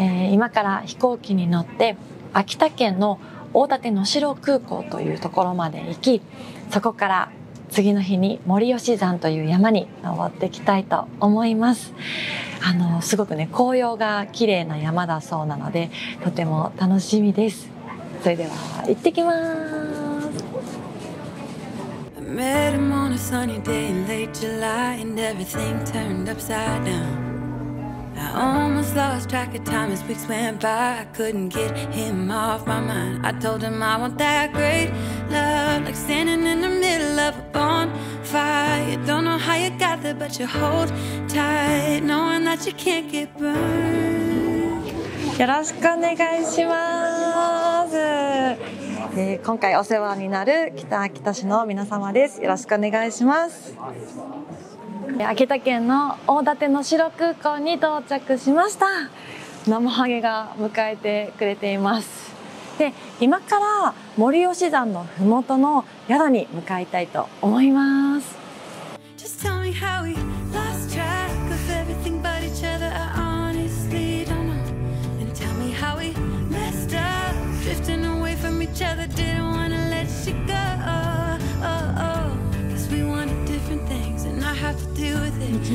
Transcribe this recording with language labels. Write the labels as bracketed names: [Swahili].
[Japanese] 今から飛行機に乗って秋田県の大館能代空港というところまで行き、そこから次の日に森吉山という山に登っていきたいと思います。すごくね、紅葉が綺麗な山だそうなので、とても楽しみです。それでは行ってきます。 [English] Met him on a sunny day in late July, and everything turned upside down. I almost lost track of time as weeks went by. I couldn't get him off my mind. I told him I want that great love, like standing in the middle of a bonfire. Don't know how you got there, but you hold tight, knowing that you can't get burned. [Japanese] よろしくお願いします。今回お世話になる北秋田市の皆様です。よろしくお願いします。秋田県の大館能代空港に到着しました。なまはげが迎えてくれています。で、今から森吉山のふもとの宿に向かいたいと思います。 [English] Just tell me how we lost track of everything but each other. I honestly don't know. And tell me how we messed up driftingEach other didn't wanna let you go. Oh, oh, cause we wanted different things, and I have to deal with it.